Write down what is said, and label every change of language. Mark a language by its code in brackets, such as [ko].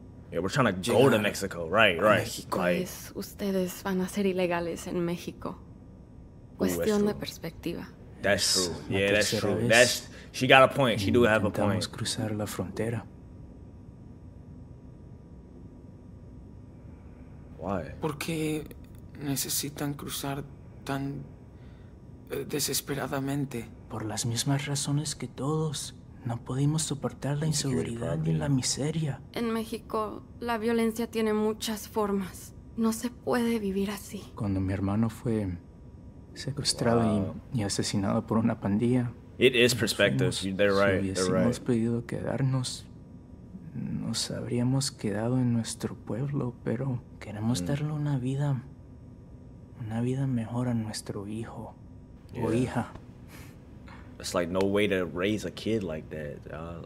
[en] Yeah, we're trying to go to Mexico, right. Mexico. [es] Pues ustedes van a ser ilegales en México. Cuestión de perspectiva. [en] That's true. Yeah, that's true. She got a point. She do have a point. [es] Intentamos cruzar la frontera. [en] Why? [es] ¿Por qué necesitan cruzar tan desesperadamente? Por las mismas razones que todos. No podemos soportar la inseguridad y la miseria. En México, la violencia tiene muchas formas. No se puede vivir así. Cuando mi hermano fue secuestrado y asesinado por una pandilla. [en] It is perspective. They're right. [es] Si hubiésemos podido quedarnos, nos habríamos quedado en nuestro pueblo, pero queremos darle una vida mejor a nuestro hijo o hija. [en] It's like no way to raise a kid like that.